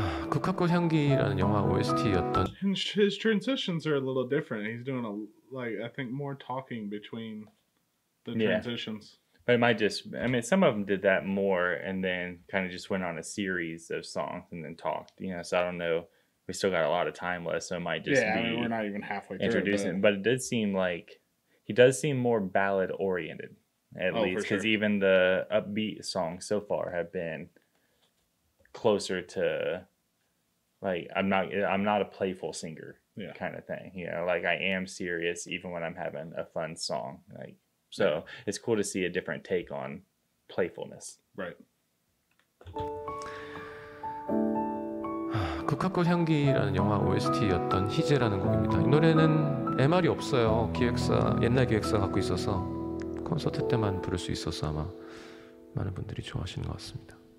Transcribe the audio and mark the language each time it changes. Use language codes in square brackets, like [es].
[ko] 국화꽃 향기라는 영화 OST였던 [en] His transitions are a little different. He's doing a, like, I think more talking between the transitions. Yeah. But it might just, I mean, some of them did that more and then kind of just went on a series of songs and then talked, you know, so I don't know. We still got a lot of time left, so it might just be... Yeah, I mean, we're not even halfway through. Introducing, but it did seem like he does seem more ballad oriented, at least, because even the upbeat songs so far have been closer to, like, I'm not a playful singer, yeah, kind of thing. You know, like, I am serious even when I'm having a fun song. Like, so yeah, it's cool to see a different take on playfulness. Right. [ko] 국화꽃 향기라는 영화 OST였던 희재라는 곡입니다. 이 노래는 MR이 없어요. 기획사, 옛날 기획사 갖고 있어서 콘서트 때만 부를 수 있어서 아마 많은 분들이 좋아하시는 것 같습니다.